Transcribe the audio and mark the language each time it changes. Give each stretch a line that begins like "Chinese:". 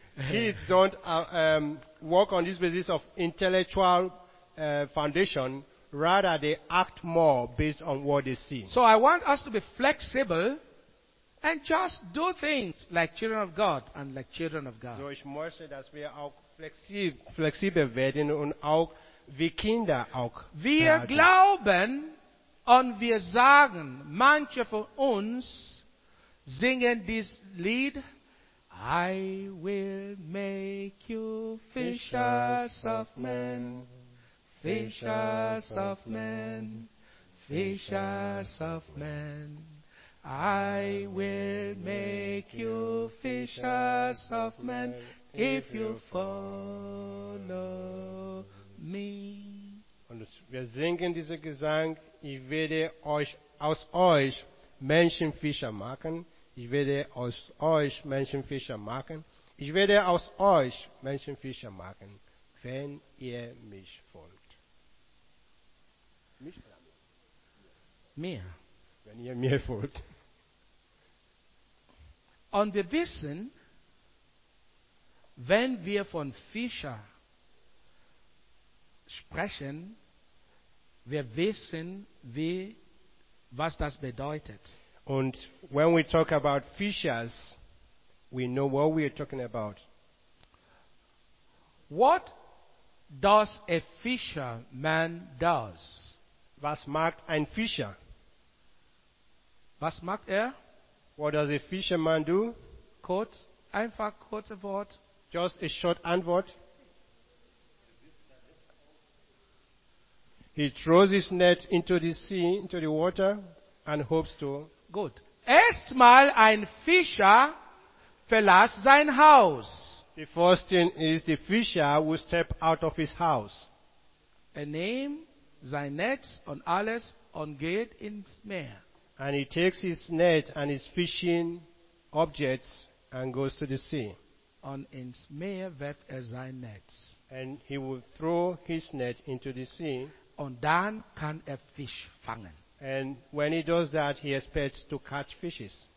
English: Kids don't work on this basis of intellectual foundation. Rather, they act more based on what they see. So I want us to be flexible and just do things like children of God and like children of God.
German: So ich möchte, dass wir auch flexibel werden und auch wie Kinder auch. Wir glauben und wir sagen, manche von uns singen dieses Lied,
English: I will make you fishers of men,
German: fishers of men, fishers of men.
English: I will make you fishers of men if you follow me.
German: Und wir singen diesen Gesang, ich werde euch aus euch Menschenfischer machen. Ich werde aus euch Menschenfischer machen. Ich werde aus euch Menschenfischer machen, wenn ihr mich folgt. Mich? Mir. Wenn ihr mir folgt. Und wir wissen, wenn wir von Fischer sprechen, wir wissen, was das bedeutet.
English: Und when we talk about fishers, we know what we are talking about. What does a fisherman does?
German: Was macht ein Fischer? Was macht er?
English: What does a fisherman do?
German: Kurz, einfach kurze Wort.
English: Just a short Antwort. He throws his net into the sea, into the water, and hopes to.
German: Gut. Erstmal ein Fischer verlässt sein Haus.
English: The first thing is the fisher will step out of his house.
German: Er nimmt sein Netz und alles und geht ins Meer.
English: And he takes his net and his fishing objects and goes to the sea.
German: Und ins Meer wird er sein Netz.
English: And he will throw his net into the sea.
German: Und dann kann er Fisch fangen.
English: And when he does that, he expects to catch fishes.